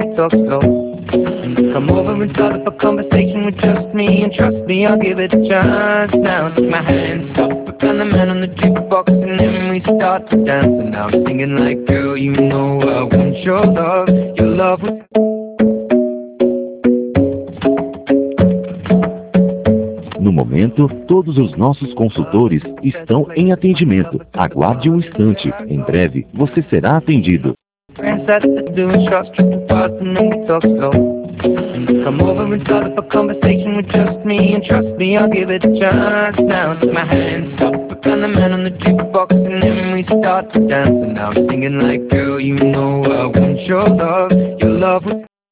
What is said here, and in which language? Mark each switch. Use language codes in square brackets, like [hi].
[en] Come over and start up a conversation with just me, and trust me, I'll give it a chance. Now I lift my hands up, I found the man on the jukebox, and then we start to dance. And now I'm singing like, girl, you know I want your love was... [pt] No momento, todos os nossos consultores estão em atendimento. Aguarde um instante. Em breve, você será atendido. [en] Come over and start up a conversation with just me, and trust me, I'll give it a chance. Now I lift my hands up, I found the man on the jukebox, and then we start to dance. And now I'm singing like, girl, you know I want your love was...